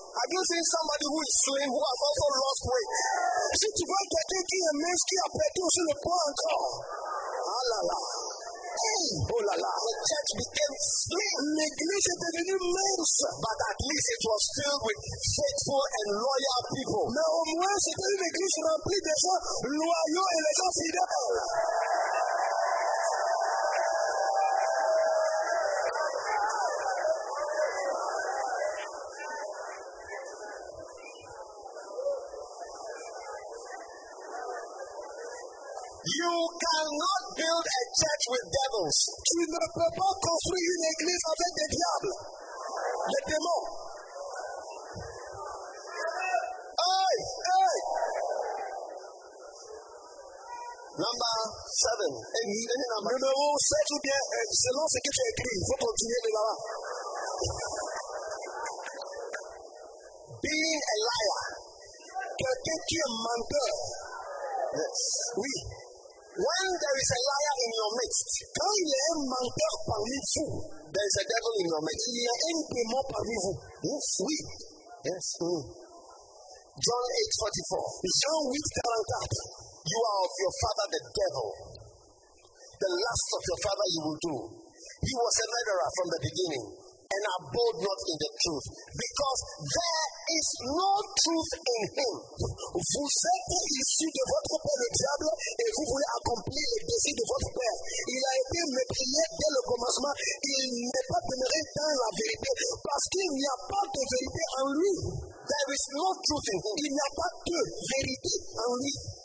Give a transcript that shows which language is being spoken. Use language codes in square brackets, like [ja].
[en] Have you seen somebody who is slim who has also lost weight? [fr] Si tu vois quelqu'un qui est mince qui a perdu aussi le poids encore. Ah là là. Hey. Oh là là. [en] The church became slim. [fr] L'église est devenue mince. tous. [en] But at least it was filled with faithful and loyal people. [fr] Mais au moins, c'était une église remplie de gens loyaux et de gens fidèles. [en] You cannot build a church with devils. [fr] Tu ne peux pas construire une église avec des diables, des démons. Hey, hey. [en] Number 7. Any number? [fr] Numéro 7 ou bien selon ce que tu écris, il faut continuer de là-bas. [en] Being a liar. [fr] Quelqu'un qui est menteur. [en] Yes. [fr] Oui. [en] When there is a liar in your midst, [fr] quand il y a un menteur parmi vous, [en] there is a devil in your midst. [fr] Il y a un démon parmi vous. [en] Yes. [fr] Oui. [en] Yes. Mm. John 8:44. You are of your father the devil. The lust of your father you will do. He was a murderer from the beginning and abode not in the truth, because there is no truth in him. [fr] Vous êtes issu de votre père le diable et vous voulez accomplir les désirs de votre père. Il a été meurtrier dès le commencement. Il n'est pas demeuré dans la vérité parce qu'il n'y a pas de vérité en lui. [en] There is no truth in him. [fr] Il n'y a pas de vérité en lui.